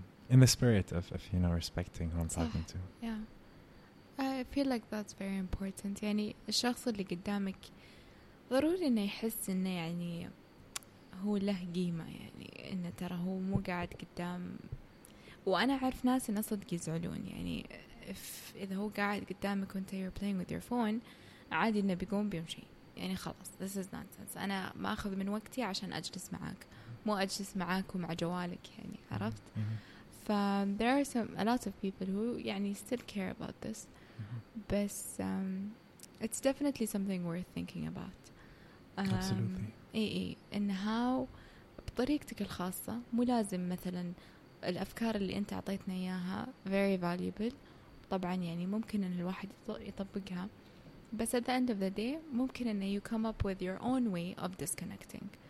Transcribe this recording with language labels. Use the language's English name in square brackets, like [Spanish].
[English] In the spirit of you know respecting who I'm talking to. Yeah, I feel like that's very important. [Arabic] يعني الشخص اللي قدامك ضروري إنه يحس إنه يعني هو له قيمة, يعني إنه ترى هو مو قاعد قدام. وأنا أعرف ناس إن صدق يزعلون, يعني إذا هو قاعد قدامك وأنت [English] you're playing with your phone, [Arabic] عادي إنه بيقوم بيمشي, يعني خلاص [English] this is nonsense, [Arabic] أنا ما أخذ من وقتي عشان أجلس معك, مو أجلس معك ومع جوالك, يعني عرفت. [English] ف there are some a lot of people who يعني still care about this, بس it's definitely something worth thinking about. Absolutely. And how [Arabic] بطريقتك الخاصة مو لازم مثلا الأفكار اللي أنت عطيتنا إياها [English] very valuable [Arabic] طبعا يعني ممكن أن الواحد يطبقها بس [English] at the end of the day [Arabic] ممكن أن [English] you come up with your own way of disconnecting